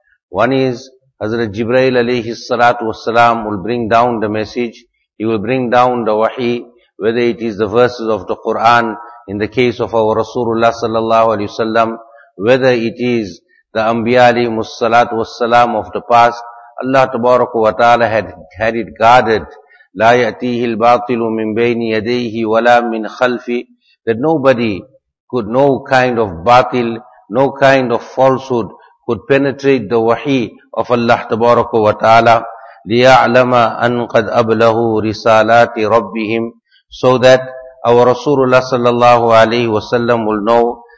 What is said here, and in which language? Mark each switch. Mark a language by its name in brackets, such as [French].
[English] One is Hazrat Jibrail alayhi salatu wassalam will bring down the message. He will bring down the wahi, whether it is the verses of the Quran in the case of our Rasulullah sallallahu alayhi wasallam, whether it is the Anbiya alayhim salatu wassalam of the past. Allah tabaraka wa ta'ala had it guarded. [Arabic] لا يأتيه الباطل من بين يديه ولا من خلفي. [English] That nobody could, no kind of batil, no kind of falsehood could penetrate the wahi of Allah Tabaraka Wa Ta'ala. [Arabic] لِيَعْلَمَ أَنْ قَدْ أَبْلَهُ رِسَالَاتِ رَبِّهِمْ. [English] So that our Rasulullah Sallallahu Alaihi Wasallam will know